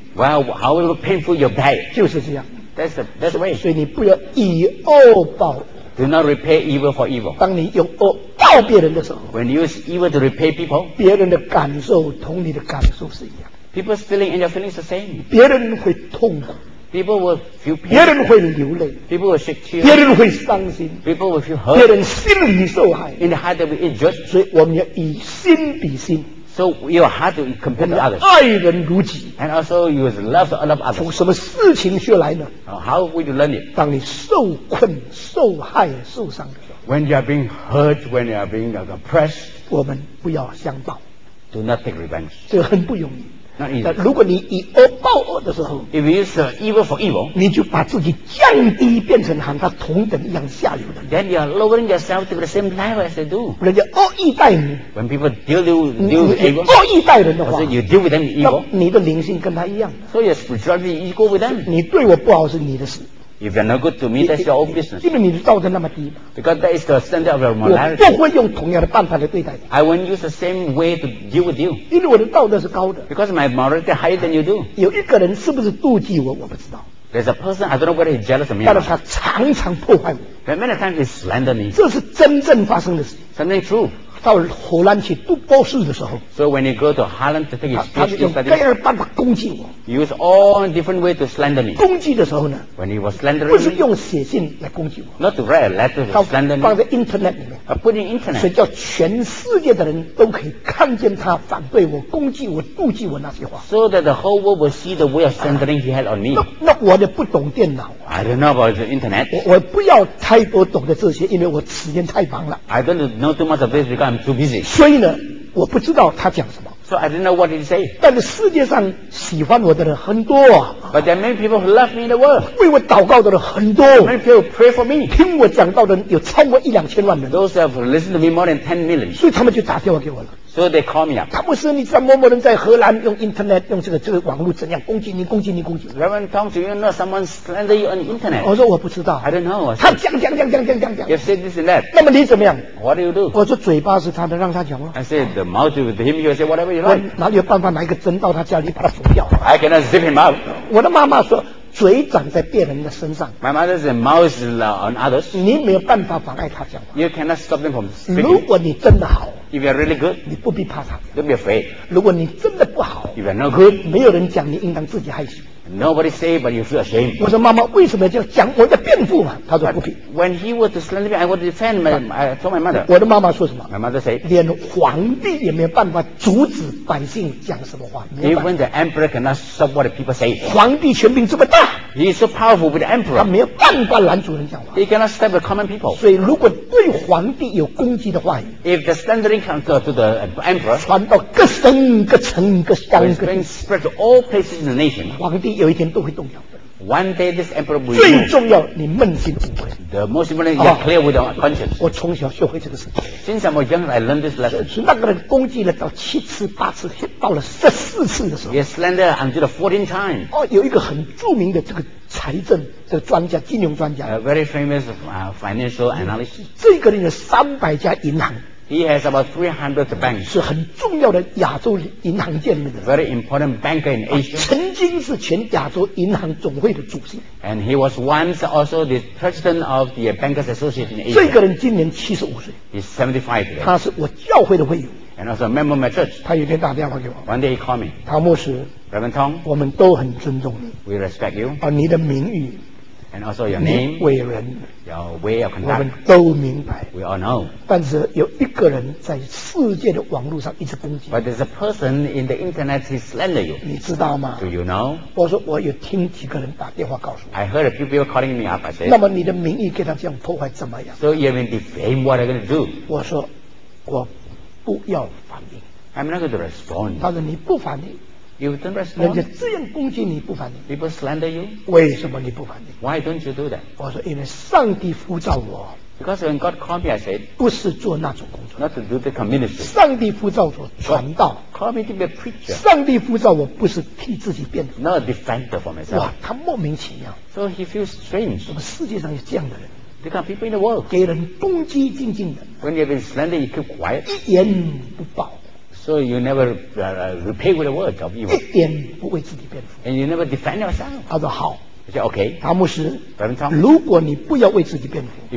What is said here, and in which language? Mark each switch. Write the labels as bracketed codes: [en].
[en] Well, however painful your pain. [zh] 就是这样。 [en] That's the way. [zh] 所以你不要以恶报。 [en] Do not repay evil for evil. [zh] 当你用恶报别人的时候 [en] ，When you use evil to repay people, [zh] 别人的感受同你的感受是一样。 [en] People's feeling and your feelings are the same. [zh] 别人会痛苦 [en] ，People will feel pain. [zh] 别人会流泪 [en] ，People will shed tears. [zh] 别人会伤心 [en] ，People will feel hurt. [zh] 别人心里受害 [en] ，In the heart they will injure. [zh] 所以我们要以心比心。 [en] So your heart to compare to others. [zh] 爱人如己 [en] And also you have love to love others. [zh] 从什么事情学来呢 [en] How would you learn it? [zh] 当你受困、受害、受伤的时候 [en] When you are being hurt, when you are being oppressed, [zh] 我们不要相报 [en] Do not take revenge. [zh] 这很不容易 [en] Not easy. [zh] 但如果你以恶报恶的时候 [en] If you use evil for evil, [zh] 你就把自己降低变成和他同等一样下流的 [en] Then you are lowering yourself to the same level as they do. [zh] 人家恶意待你 [en] When people deal with evil, [zh] 恶意待人的话 [en] So you deal with them evil, [zh] 你的灵性跟他一样 [en] So your spirituality equal with them. [zh] 你对我不好是你的事 [en] If you're not good to me, that's your own business. [zh] 因为你的道德那么低。 [en] Because that is the standard of your morality. [zh] 我不会用同样的办法来对待你。 [en] I won't use the same way to deal with you. [zh] 因为我的道德是高的。 [en] Because my morality is higher than you do. [zh] 有一个人是不是妒忌我，我不知道。 [en] There's a person, I don't know whether he's jealous of me. [zh] 但是他常常破坏我。 [en] But many times he slander me. [zh] 这是真正发生的事。 [en] Something true. [zh] 到荷兰去读博士的时候。 [en] So when you go to Holland to take his PhD study. [zh] 他就用各样的办法攻击我。 [en] He used all different ways to slander me. [zh] 攻击的时候呢。 [en] When he was slandering me. [zh] 不是用写信来攻击我。 [en] Not to write a letter to slander me. [zh] 放在 internet 里面。 [en] Put in internet. [zh] 所以叫全世界的人都可以看见他反对我、攻击我、妒忌我那些话。 [en] So that the whole world will see the way of slandering he had on me. [zh] 那我就不懂电脑。 [en] I don't know about the internet. [zh] 我不要太多懂的这些，因为我时间太忙了。 [en] I don't know too much of this because I'm too busy. [zh] 所以呢，我不知道他讲什么。 [en] So I didn't know what he said. [zh] 但是世界上喜欢我的人很多。 [en] But there are many people who love me in the world. [zh] 为我祷告的人很多。 [en] Many people pray for me. [zh] 听我讲道的人有超过一两千万人。 [en] Those have listened to me more than 10 million. [zh] 所以他们就打电话给我了。 [en] So they call me up. [zh] 他不是你知道某某人在荷兰用 internet 用这个网络怎样攻击你攻击你攻击你。 [en] Reverend Tom, do you know someone slander you on the internet? [zh] 我说我不知道。 [en] I don't know. [zh] 他讲。 [en] You said this and that. [zh] 那么你怎么样？ [en] What do you do? [zh] 我说嘴巴是他的，让他讲了。 [en] I said the mouth with him. You say whatever you like. [zh] 我哪里有办法拿一个针到他家里把他缝掉 [en] ？I cannot zip him up. [zh] 我的妈妈说。嘴长在别人的身上。 [en] My mother said, "Mouth is on others." [zh] 你没有办法妨碍他讲话。 [en] You cannot stop them from speaking. [zh] 如果你真的好 [en] ，If you're really good, [zh] 你不必怕他。 [en] Don't be afraid. [zh] 如果你真的不好 [en] ，If you're not good, [zh] 没有人讲，你应当自己害羞。 [en] Nobody say, but you feel ashamed. [zh] 我说妈妈为什么要讲我的辩护嘛？他说不必。 [en] When he was slandering me, I would defend my. I told my mother. [zh] 我的妈妈说什么 [en] ？My mother say, [zh] 连皇帝也没有办法阻止百姓讲什么话。 [en] Even the emperor cannot stop what people say. [zh] 皇帝权柄这么大。 [en] He is so powerful with the emperor. [zh] 他没有办法拦阻人讲话。 [en] He cannot stop the common people. [zh] 所以如果对皇帝有攻击的话 [en] ，If the slandering can go to the emperor, [zh] 传到各省、各城、各乡、各地 [en] ，It's been spread to all places in the nation. [zh] 皇帝有一天都会动摇的。 [en] One day this emperor will. [zh] 最重要，你扪心自问。 [en] The most important, you're clear with your conscience. [zh] 我从小学会这个事情。 [en] Since I'm young, I learned this lesson. [zh] 是那个人攻击了到7次、8次，到了14次的时候。 [en] He slandered until 14 times. [zh] 有一个很著名的这个财政的专家，金融专家。 [en] A very famous financial analyst. [zh] 这个人有300家银行。 [en] He has about 300 banks. [zh] 是很重要的亚洲银行界里面的。 [en] Very important banker in Asia. [zh] 曾经是全亚洲银行总会的主席。 [en] And he was once also the president of the Bankers Association in Asia. [zh] 这个人今年75岁。 [en] He's 75 today. [zh] 他是我教会的会友。 [en] And also a member of my church. [zh] 他有一天打电话给我。 [en] One day he called me. [zh] 唐牧师。 [en] Reverend Tom. [zh] 我们都很尊重你。 [en] We respect you. [zh] 你的名誉。 [en] And also your name, [zh] 你为人 [en] your way of conduct, [zh] 我们都明白 [en] we all know. [zh] 但是有一个人在世界的网络上一直攻击 [en] But there's a person in the internet who slander you [zh] 你知道吗 [en] Do you know? [zh] 我说我有听几个人打电话告诉我 [en] I heard a few people calling me up I said, [zh] 那么你的名义给他这样破坏怎么样 [en] So you even defame what I'm going to do [zh] 我说我不要反应 [en] I'm not going to respond [zh] 他说你不反应 [en] You don't respond. [zh] 人家这样攻击你不反应。 [en] People slander you. [zh] 为什么你不反应 [en] ？Why don't you do that? [zh] 我说，因为上帝呼召我。 [en] Because when God called me, I said, [zh] 不是做那种工作。 [en] Not to do the ministry. [zh] 上帝呼召我传道。 [en] God called me to be a preacher. [zh] 上帝呼召我不是替自己辩护。 [en] Not a defender for myself. [zh] 哇，他莫名其妙。 [en] So he feels strange. [zh] 怎么世界上有这样的人？ [en] They got people in the world. [zh] 给人攻击静静的。 [en] When you've been slandered, you keep quiet. [zh] 一言不报。 [en] So you never repay with a word of evil. [zh] 一点不为自己辩护。 [en] And you never defend yourself. [zh] 他说好。 [en] He said, okay. [zh] 他牧师，如果你不要为自己辩护